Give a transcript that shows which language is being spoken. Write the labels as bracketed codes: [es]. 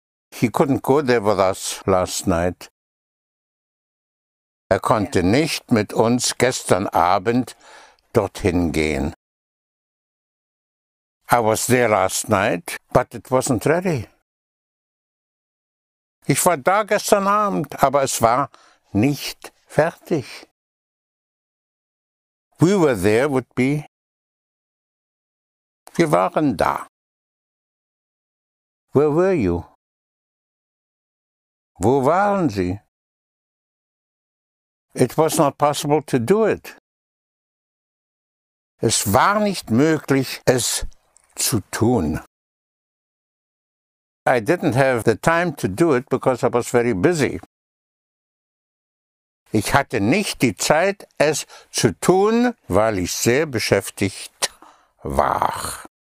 [en] He couldn't go there with us last night. [de] Er konnte nicht mit uns gestern Abend dorthin gehen. [en] I was there last night, but it wasn't ready. [de] Ich war da gestern Abend, aber es war nicht fertig. [en] We were there would be. [de] Wir waren da. [en] Where were you? [de] Wo waren Sie? [en] It was not possible to do it. [de] Es war nicht möglich, es zu tun. [en] I didn't have the time to do it because I was very busy. [de] Ich hatte nicht die Zeit, es zu tun, weil ich sehr beschäftigt war.